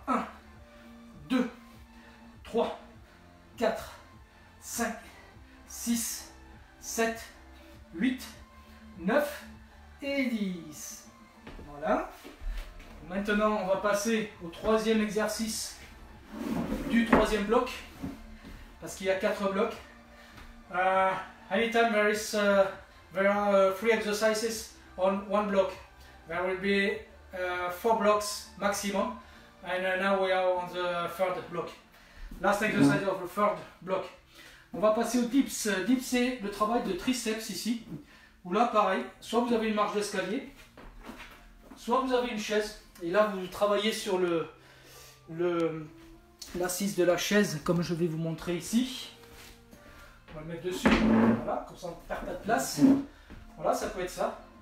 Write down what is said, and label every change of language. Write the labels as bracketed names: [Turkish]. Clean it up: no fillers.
[French] 1, 2, 3, 4, 5, 6, 7, 8, 9 et 10. Voilà. Maintenant, on va passer au troisième exercice du troisième bloc, parce qu'il y a quatre blocs. [English] Anytime there are three exercises on one block, there will be 4 blocks maximum, and now we are on the third block. Last exercise of the third block. [French] On va passer au dips. Dips, c'est le travail de triceps ici, où là, pareil, soit vous avez une marche d'escalier, soit vous avez une chaise, et là, vous travaillez sur l'assise de la chaise, comme je vais vous montrer ici. On va le mettre dessus, voilà, comme ça on ne perd pas de place. Voilà, ça peut être ça.